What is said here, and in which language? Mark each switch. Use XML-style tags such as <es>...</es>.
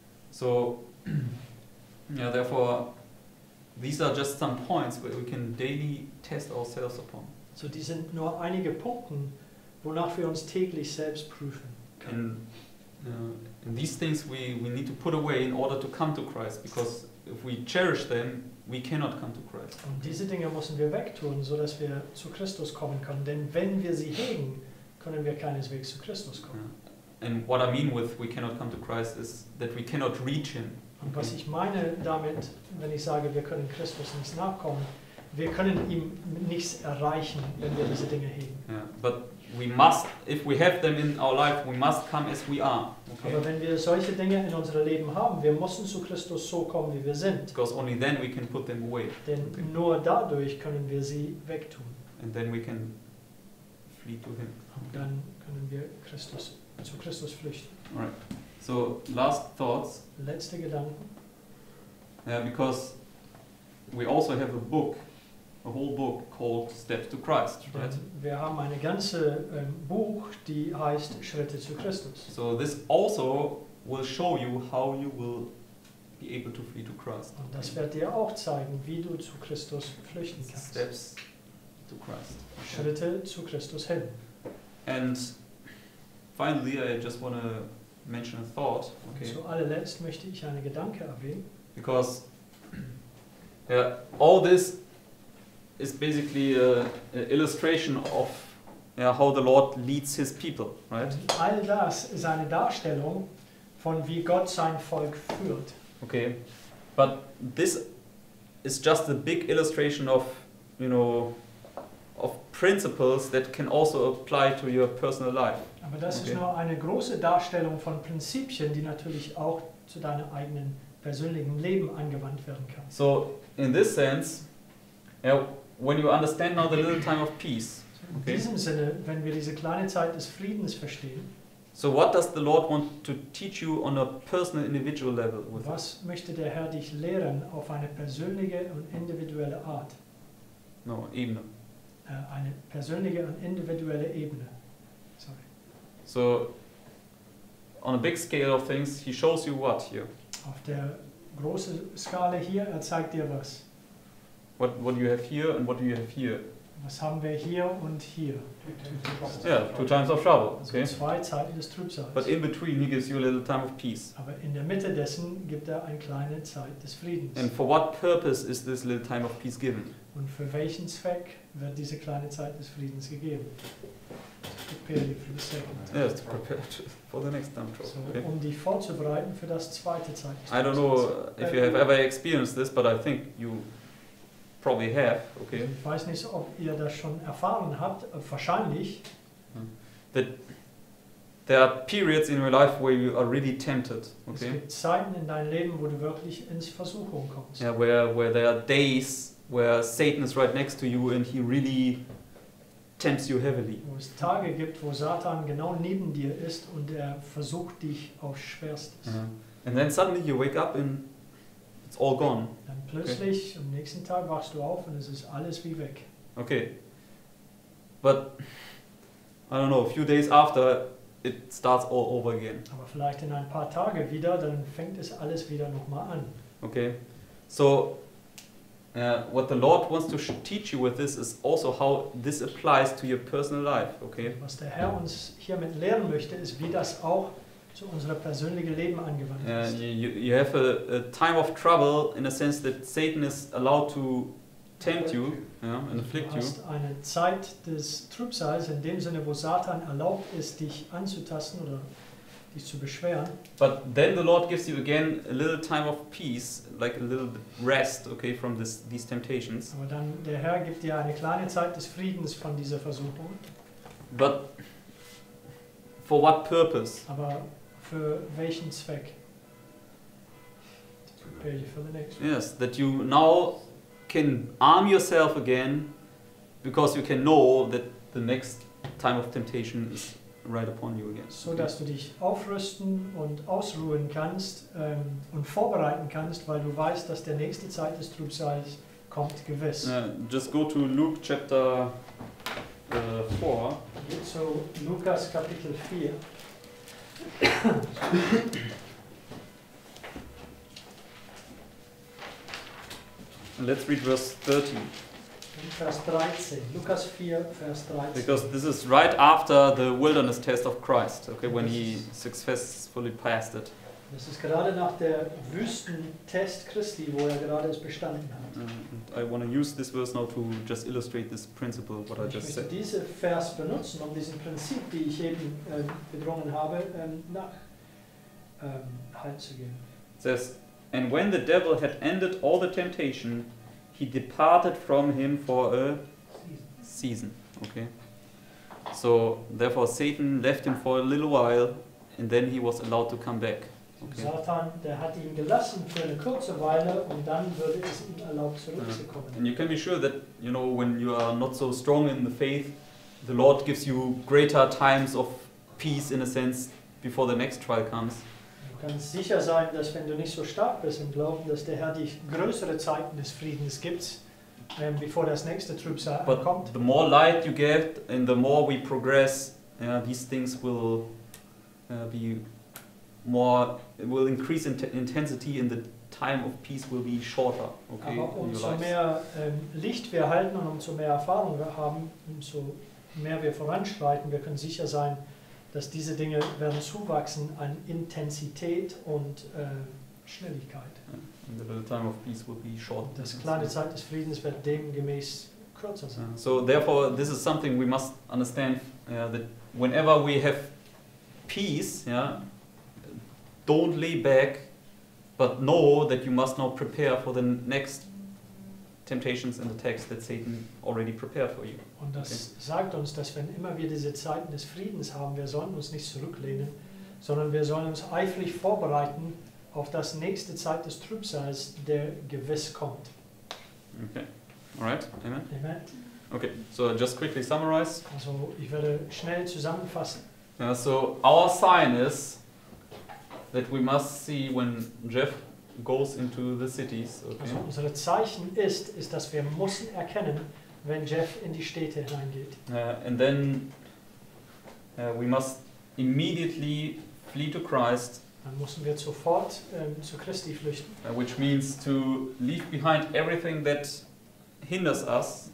<en>So, yeah, therefore, these are just some points where we can daily test ourselves upon. So these</en> <de>sind nur einige Punkte, wonach wir uns täglich selbst prüfen können.</de> <en>And these things we need to put away in order to come to Christ, because if we cherish them, we cannot come to Christ.</en> <de>Und diese Dinge müssen wir wegtun, so dass wir zu Christus kommen können, denn wenn wir sie hegen, können wir keineswegs zu Christus kommen. Yeah.</de> <en>And what I mean with we cannot come to Christ is that we cannot reach him.</en> <de>Und was ich meine damit, wenn ich sage, wir können Christus nicht nachkommen, wir können ihm nichts erreichen, wenn wir diese Dinge heben.</de> <en>Yeah, but we must, if we have them in our life, we must come as we are. Okay?</en> <de>Aber wenn wir solche Dinge in unserem Leben haben, wir müssen zu Christus so kommen, wie wir sind.</de> <en>Because only then we can put them away.</en> <de>Denn okay. Nur dadurch können wir sie wegtun.</de> <en>And then we can flee to him.</en> <de>Und dann können wir Christus, zu Christus flüchten.</de> <en>Alright. So, last thoughts.</en> <de>Letzte Gedanken.</de> <en>Yeah, because we also have a book, a whole book called Steps to Christ, right?</en> <de>Wir haben eine ganze Buch, die heißt Schritte zu Christus.</de> <en>So this also will show you how you will be able to flee to Christ.</en> <de>Und das wird dir auch zeigen, wie du zu Christus flüchten kannst.</de> <en>Steps to Christ.</en> <de>Schritte zu Christus hin.</de> <en>And finally, I just want to mention a thought. Okay.</en> <de>Zu allerletzt möchte ich einen Gedanke erwähnen.</de> <en>Because all this is basically an illustration of how the Lord leads his people, right?</en> <de>All das ist eine Darstellung von wie Gott sein Volk führt.</de> <en>Okay, but this is just a big illustration of of principles that can also apply to your personal life.</en> <de>Aber das ist nur eine große Darstellung von Prinzipien, die natürlich auch zu deinem eigenen persönlichen Leben angewandt werden kann.</de> <en>So, in this sense, when you understand now the little time of peace.</en> <de>In diesem Sinne, wenn wir diese kleine Zeit des Friedens verstehen.</de> <en>So, what does the Lord want to teach you on a personal, individual level?</en> <de>Was möchte der Herr dich lehren auf eine persönliche und individuelle Art? No, Ebene. Eine persönliche und individuelle Ebene. Sorry.</de> <en>So, on a big scale of things, he shows you what here?</en> <de>Auf der großen Skala hier, zeigt dir was.</de> <en>What do you have here and what do you have here?</en> <de>Was haben wir hier und hier?</de> <en>Two times of trouble. Okay.</en> <de>Also zwei Zeiten des Trübsals.</de> <en>But in between he gives you a little time of peace.</en> <de>Aber in der Mitte dessen gibt eine kleine Zeit des Friedens.</de> <en>And for what purpose is this little time of peace given?</en> <de>Und für welchen Zweck wird diese kleine Zeit des Friedens gegeben?</de> <en>To prepare you for the second. Yes, to prepare for the next time trouble.</en> <de>So, okay. Um dich vorzubereiten für das zweite Zeitalter.</de> <en>I don't know if you have ever experienced this, but I think you probably have. Okay.</en> <de>Ich weiß nicht, ob ihr das schon erfahren habt. Wahrscheinlich.</de> <en>That There are periods in your life where you are really tempted. Okay.</en> <de>Es gibt Zeiten in deinem Leben, wo du wirklich ins Versuchung kommst.</de> <en>Yeah, where there are days where Satan is right next to you and he really tempts you heavily.</en> <de>Wo es Tage gibt, wo Satan genau neben dir ist und er versucht dich aufs Schwerste. Yeah.</de> <en>And then suddenly you wake up and it's all gone.</en> <de>Dann plötzlich okay. Am nächsten Tag wachst du auf und es ist alles wie weg.</de> <en>Okay. But I don't know. A few days after. It starts all over again.</en> <de>Aber vielleicht in ein paar Tage wieder, dann fängt es alles wieder nochmal an. Okay.</de> <en>So, what the Lord wants to teach you with this is also how this applies to your personal life. Okay.</en> <de>Was der Herr uns hiermit lehren möchte, ist, wie das auch zu unserem persönlichen Leben angewandt ist.</de> <en>You have a time of trouble in a sense that Satan is allowed to tempt you, yeah, and afflict you.</en> <de>Du hast eine Zeit des Trübsals in dem Sinne, wo Satan erlaubt ist, dich anzutasten oder dich zu beschweren.</de> <en>But then the Lord gives you again a little time of peace, like a little rest, okay, from these temptations.</en> <de>Aber dann der Herr gibt dir eine kleine Zeit des Friedens von dieser Versuchung.</de> <en>But for what purpose?</en> <de>Aber für welchen Zweck?</de> <en>To prepare you for the next one. Yes, that you now can arm yourself again, because you can know that the next time of temptation is right upon you again.</en> <de>So dass du dich aufrüsten und ausruhen kannst und vorbereiten kannst, weil du weißt, dass der nächste Zeit des Trübsals kommt gewiss.</de> <en>Just go to Luke chapter 4.</en> <de>So Lukas Kapitel 4.</de> <en>Let's read verse 13.</en> <de>Vers 13. Lukas 4, Vers 13.</de> <en>Because this is right after the wilderness test of Christ, okay, when he successfully passed it.</en> <de>Das ist gerade nach der Wüstentest Christi, wo er gerade es bestanden hat.</de> <en>I want to use this verse now to just illustrate this principle, what</en> <de>ich</de> <en>I just said.</en> <de>Ich möchte diese Vers benutzen, um diesen Prinzip, die ich eben gedrungen habe, nach Halt zu geben.</de> <en>Says, and when the devil had ended all the temptation, he departed from him for a season. Okay. So therefore Satan left him for a little while, and then he was allowed to come back. Okay.</en> <de>Satan, der hat ihn gelassen für eine kurze Weile, und dann würde es ihm erlaubt zurückzukommen.</de> <en>And you can be sure that, you know, when you are not so strong in the faith, the Lord gives you greater times of peace, in a sense, before the next trial comes.</en> <de>Du kannst sicher sein, dass wenn du nicht so stark bist im Glauben, dass der Herr dich größere Zeiten des Friedens gibt, bevor das nächste Trübsal kommt.</de> <en>The more light you get and the more we progress, yeah, these things will be more, will increase in intensity and the time of peace will be shorter. Okay,</en> <de>aber umso mehr Licht wir halten und umso mehr Erfahrung wir haben, umso mehr wir voranschreiten, wir können sicher sein, dass diese Dinge werden zuwachsen an Intensität und Schnelligkeit.</de> <en>And the little time of peace will be short.</en> <de>Das kleine Zeit des Friedens wird demgemäß kürzer sein.</de> <en>So therefore this is something we must understand, that whenever we have peace, yeah, don't lay back, but know that you must now prepare for the next temptations and attacks that Satan already prepared for you.</en> <de>Und das sagt uns, dass wenn immer wir diese Zeiten des Friedens haben, wir sollen uns nicht zurücklehnen, sondern wir sollen uns eifrig vorbereiten auf das nächste Zeit des Trübsals, der gewiss kommt.</de> <en>Okay. All right. Amen. Amen. Okay. So just quickly summarize.</en> <de>Also, ich werde schnell zusammenfassen.</de> <en>Yeah, so our sign is that we must see when Jeff goes into the cities. Okay.</en> <de>Also unsere Zeichen ist, dass wir müssen erkennen, wenn Jeff in die Städte hineingeht.</de> <en>And then we must immediately flee to Christ.</en> <de>Dann müssen wir sofort zu Christi flüchten.</de> <en>Which means to leave behind everything that hinders us.</en>